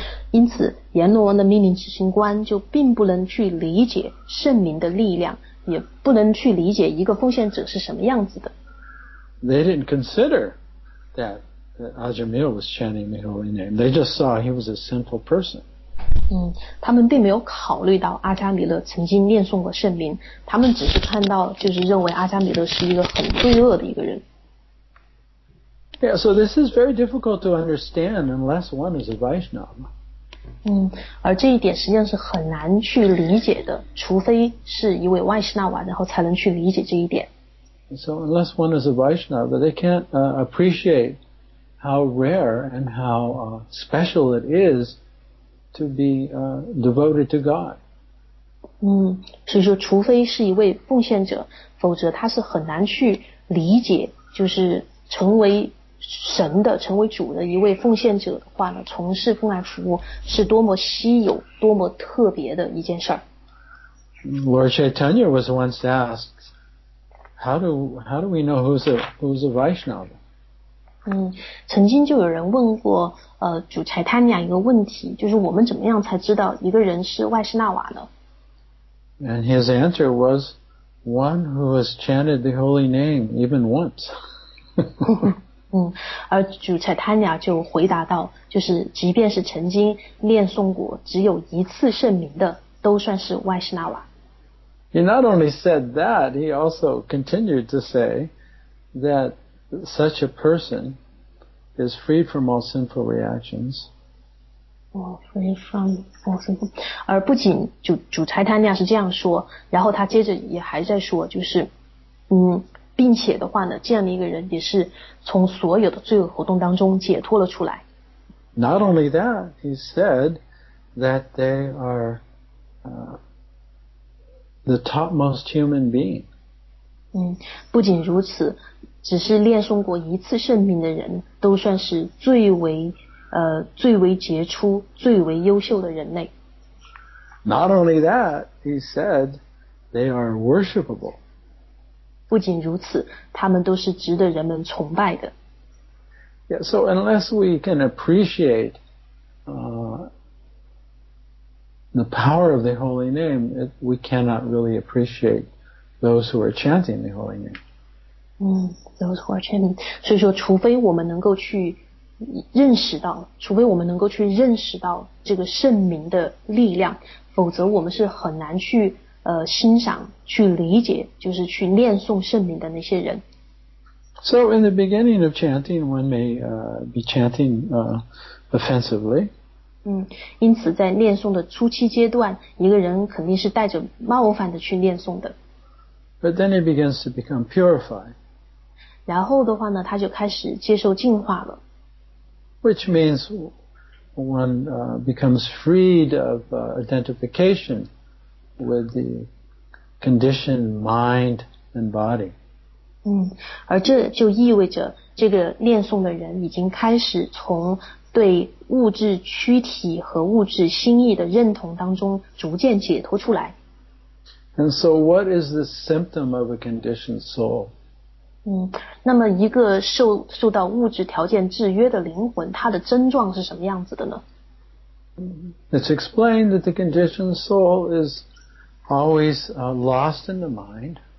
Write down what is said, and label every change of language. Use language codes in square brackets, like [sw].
[zh] 因此阎罗王的命令执行官就并不能去理解圣名的力量，也不能去理解一个奉献者是什么样子的。 [en] They didn't consider that Ajamil was chanting the holy name. They just saw he was a sinful person. [zh] 他们并没有考虑到阿加米勒曾经念诵过圣名，他们只是看到就是认为阿加米勒是一个很罪恶的一个人。 [en] Yeah, so this is very difficult to understand unless one is a Vaishnava. [zh] 而这一点实际上是很难去理解的，除非是一位 Vaishnava， 然后才能去理解这一点。 [en] So unless one is a Vaishnava, they can't appreciate how rare and how special it is to be devoted to God. [zh] 所以说除非是一位奉献者，否则他是很难去理解就是成为神的，成为主的一位奉献者的话呢，从事奉爱服务是多么稀有，多么特别的一件事儿。 [en] Lord Chaitanya was once asked, how do we know who's a Vaishnava? [zh] 曾经就有人问过主柴塔尼亚一个问题，就是我们怎么样才知道一个人是外士纳瓦呢？ [en] And his answer was, one who has chanted the holy name even once. [zh] 而主柴塔尼亚就回答到，就是即便是曾经念诵过只有一次圣名的，都算是外士纳瓦。 [en] He not only said that, he also continued to say that such a person is free from all sinful reactions. Free from all sinful. [zh] 而不仅主柴塔尼亚是这样说，然后他接着也还在说，就是并且的话呢，这样的一个人也是从所有的罪恶活动当中解脱了出来。 [en] Not only that, he said that they are the topmost human being. [zh] 不仅如此，只是念诵过一次圣名的人都算是最为杰出、最为优秀的人类。 [en] Not only that, he said they are worshipable. [zh] 不仅如此，他们都是值得人们崇拜的。 [en] Yeah, so unless we can appreciate the power of the holy name, we cannot really appreciate those who are chanting the holy name. Those who are chanting. [zh] 所以说除非我们能够去认识到，除非我们能够去认识到这个圣名的力量，否则我们是很难去欣赏，去理解，就是去念诵圣名的那些人。 [en] So in the beginning of chanting, one may be chanting offensively. [zh] 因此在念诵的初期阶段，一个人肯定是带着冒犯的去念诵的。 [en] But then it begins to become purified. [zh] 然后的话呢，他就开始接受净化了。 [en] Which means one becomes freed of identification with the conditioned mind and body. [zh] 而这就意味着这个念诵的人已经开始从对物质躯体和物质心意的认同当中逐渐解脱出来。 [en] And so what is the symptom of a conditioned soul? [zh] 那么一个受到物质条件制约的灵魂，它的症状是什么样子的呢？ [en] It's explained that the conditioned soul is always lost in the mind.